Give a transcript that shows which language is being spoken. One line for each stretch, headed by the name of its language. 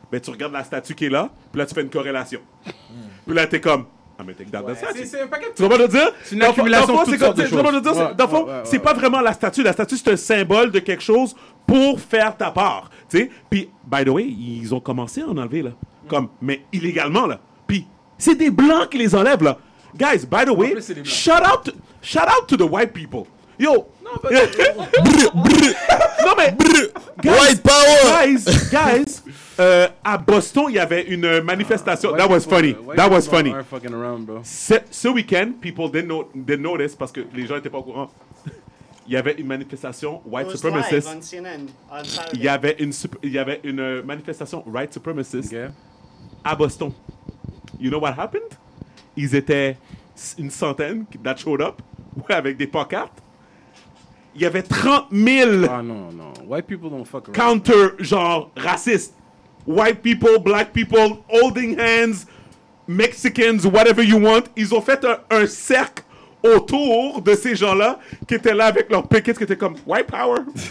French: Ben, tu regardes la statue qui est là, puis là, tu fais une corrélation. Mm. Puis là, t'es comme, ah, mais t'es dans la statue. C'est un paquet de... Tu vois pas de dire? C'est une accumulation de toutes sortes de choses. Dans le fond, c'est pas vraiment la statue. La statue, c'est un symbole de quelque chose pour faire ta part. Tu sais? Puis,
English: by the way,
French: ils ont commencé à en enlever, là. Mm. Comme, mais illégalement, là. Puis, c'est des Blancs qui les enlèvent, là.
English: Guys, by the way, shout out to the white people. Yo!
French: Non, mais...
English: White power!
French: Guys, à Boston, il y avait une manifestation.
English: That was funny. That was funny.
French: Ce week-end,
English: people didn't notice
French: parce que les gens n'étaient pas au courant. Il y avait une manifestation white supremacist. Il y avait une manifestation white supremacist à Boston.
English: You know what happened?
French: Ils étaient une centaine
English: that showed up
French: avec des pancartes. Il y avait 30 000
English: white people don't fuck around.
French: Counter genre racistes.
English: White people, black people, holding hands, Mexicans, whatever you want.
French: Ils ont fait un cercle autour de ces gens-là qui étaient là avec leurs pickets qui étaient comme white power.